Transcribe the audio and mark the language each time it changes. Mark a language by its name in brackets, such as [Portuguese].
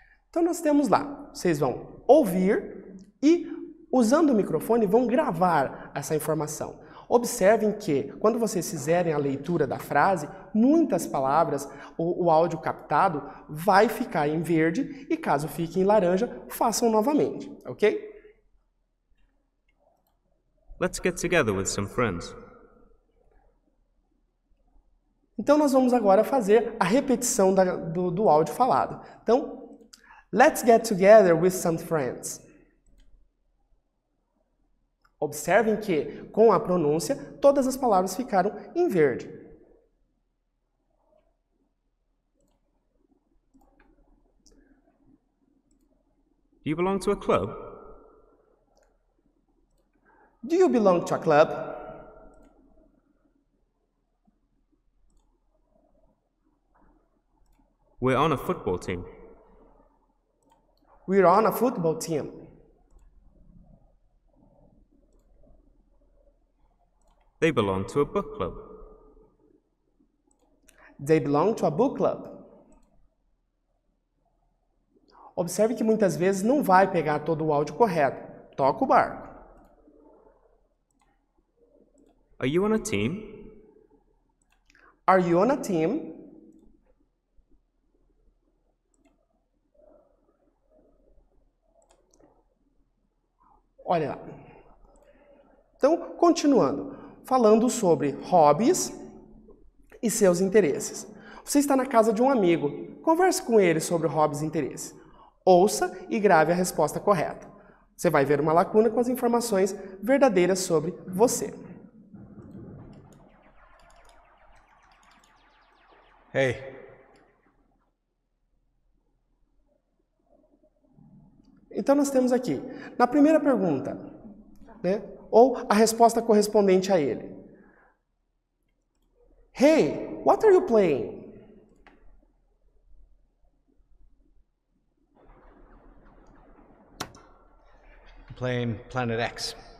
[Portuguese] Então, nós temos lá, vocês vão ouvir e, usando o microfone, vão gravar essa informação. Observem que, quando vocês fizerem a leitura da frase, muitas palavras, o áudio captado, vai ficar em verde e, caso fique em laranja, façam novamente, ok? [English] Let's get together with some friends. [Portuguese] Então, nós vamos agora fazer a repetição do áudio falado. [English] Então, let's get together with some friends. [Portuguese] Observem que, com a pronúncia, todas as palavras ficaram em verde. [English] Do you belong to a club? Do you belong to a club? We're on a football team. We're on a football team. They belong to a book club. They belong to a book club. [Portuguese] Observe que muitas vezes não vai pegar todo o áudio correto. Toca o barco. [English] Are you on a team? Are you on a team? [Portuguese] Olha lá. Então, continuando. Falando sobre hobbies e seus interesses. Você está na casa de um amigo. Converse com ele sobre hobbies e interesses. Ouça e grave a resposta correta. Você vai ver uma lacuna com as informações verdadeiras sobre você. [English] Hey. [Portuguese] Então nós temos aqui, na primeira pergunta, né? Ou a resposta correspondente a ele. [English] Hey, what are you playing? I'm playing Planet X.